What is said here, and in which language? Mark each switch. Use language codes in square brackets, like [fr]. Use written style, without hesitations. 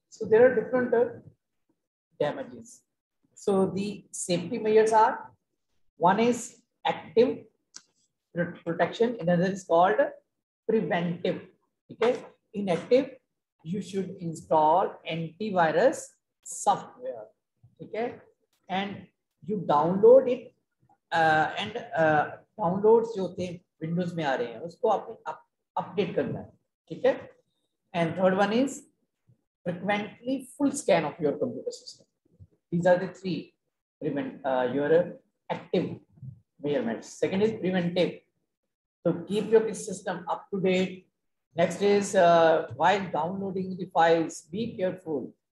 [en] So there are different damages. So the safety measures are, one is active protection, another is called preventive. Okay, in active, you should install antivirus software. Okay, and you download it and downloads [hi] जो थे Windows में आ रहे हैं उसको आपने update करना है. ठीक है. [en] And third one is frequently full scan of your computer system. These are the three prevent your active measurements. Second is preventive. So keep your system up to date. Next is while downloading the files, be careful.